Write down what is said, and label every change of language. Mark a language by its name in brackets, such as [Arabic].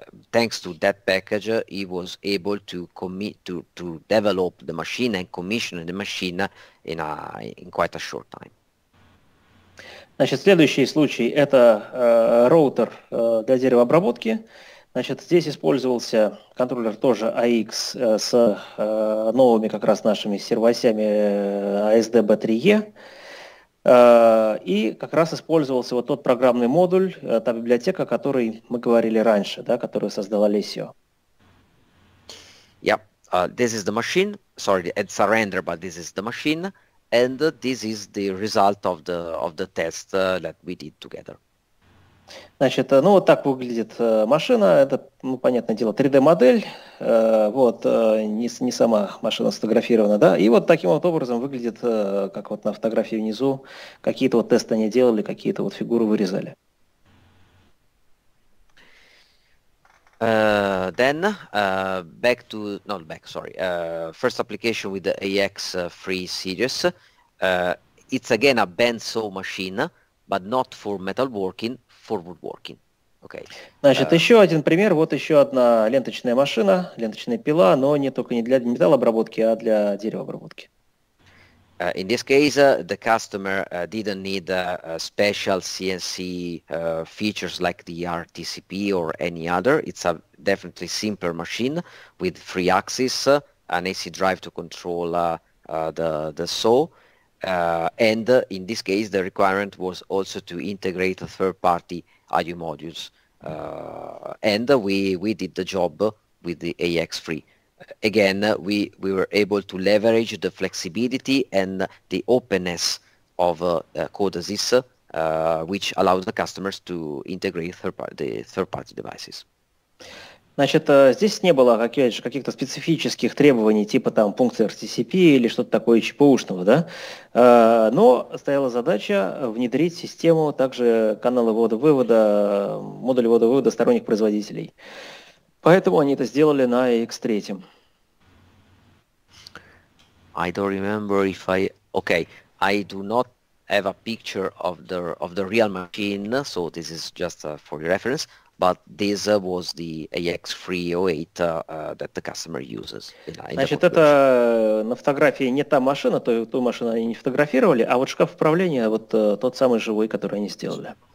[English] Thanks to that package, he was able to commit to develop the machine and commission the machine in quite a short time. [Russian] Значит, следующий случай – это роутер для деревообработки. Значит, здесь использовался контроллер тоже AX с новыми как раз нашими сервосями ASDB3E. И как раз использовался вот тот программный модуль, та библиотека, о которой мы говорили раньше, да, которую создала Лесио. [English] Yeah, this is the machine. Sorry, it's a render, but this is the machine, and this is the result of the test that we did together. [Russian] Значит, ну вот так выглядит машина. Это, ну, понятное дело, 3D модель. Вот не сама машина сфотографирована, да. И вот таким вот образом выглядит, как вот на фотографии внизу, какие-то вот тесты они делали, какие-то вот фигуры вырезали. [English] Then back to not back, sorry. First application with the AX3 series. It's again a bandsaw machine, but not for metalworking. Okay. [Russian] Значит, еще один пример. Вот еще одна ленточная машина, ленточная пила, но не только не для металлообработки, а для деревообработки. [English] In this case, the customer didn't need special CNC features like the RTCP or any other. It's a definitely simpler machine with three axes, an AC drive to control the saw, And in this case, the requirement was also to integrate a third-party IU modules. And we did the job with the AX3. Again, we were able to leverage the flexibility and the openness of CODESYS, which allows the customers to integrate third-party devices. [Russian] Значит, здесь не было, опять же, каких-то специфических требований, типа там функции RTCP или что-то такое ЧПУшного, да? Но стояла задача внедрить систему также канала ввода-вывода, модуль ввода-вывода сторонних производителей. Поэтому они это сделали на AX3. [English] I don't remember if I... Okay, I do not have a picture of the real machine, so this is just for your reference. But this was the AX308 that the customer uses. [Russian] Значит, это на фотографии не та машина, то ту машину они не фотографировали, а вот шкаф управления, вот тот самый живой, который они сделали.